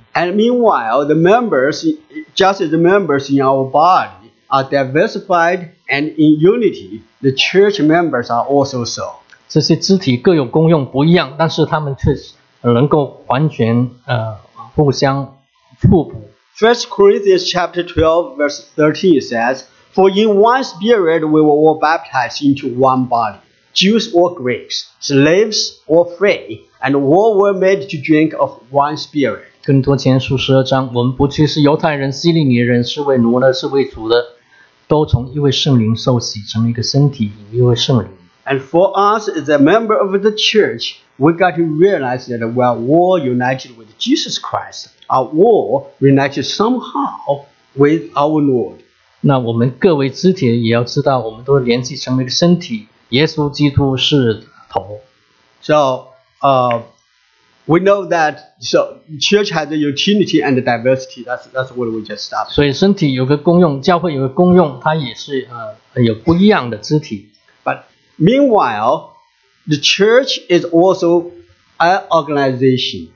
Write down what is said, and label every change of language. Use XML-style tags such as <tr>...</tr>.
<en>And meanwhile, the members, just as the members in our body are diversified and in unity, the church members are also so.</en> <zh>这些肢体各有功用不一样，但是他们却能够完全互相互补。</zh> <en>First Corinthians chapter 12 verse 13 says, "For in one spirit we were all baptized into one body." Jews or Greeks, slaves or free, and all were made to drink of one spirit.</en> <zh>更多前书十二章，我们不去是犹太人、希利尼人，是为奴的，是为主的，都从一位圣灵受洗，成一个身体，一位圣灵。</zh> <en>And for us as a member of the church, we got to realize that we are all united with Jesus Christ. Are all united somehow with our Lord.</en> <zh>那我们各位肢体也要知道，我们都联系成一个身体。耶稣基督是头。</zh> <en>So, we know that so church has a unity and a diversity. That's what we just stopped.</en> <zh>所以身体有个功用，教会有个功用，它也是有不一样的肢体。</zh> <en>But meanwhile, the church is also an organization.</en>